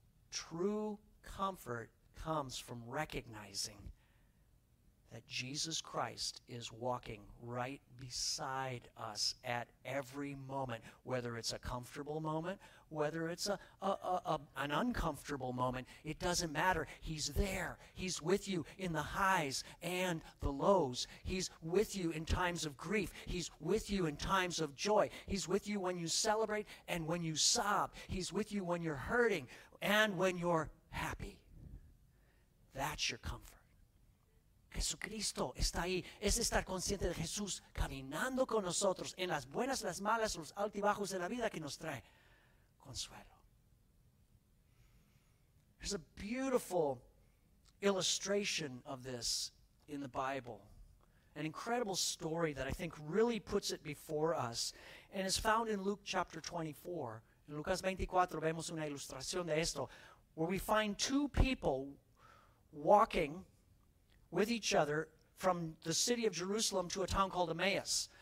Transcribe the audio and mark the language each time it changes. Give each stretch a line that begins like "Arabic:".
English: True comfort comes from recognizing that Jesus Christ is walking right beside us at every moment, whether it's a comfortable moment, whether it's an uncomfortable moment. It doesn't matter. He's there. He's with you in the highs and the lows. He's with you in times of grief. He's with you in times of joy. He's with you when you celebrate and when you sob. He's with you when you're hurting and when you're happy. That's your comfort.
Spanish: Jesucristo está ahí. Es estar consciente de Jesús caminando con nosotros en las buenas, las malas, los altibajos de la vida que nos trae consuelo.
English: There's a beautiful illustration of this in the Bible. An incredible story that I think really puts it before us. And it's found in Luke chapter 24.
Spanish: En Lucas 24 vemos una ilustración de esto,
English: where we find two people walking with each other from the city of Jerusalem to a town called Emmaus.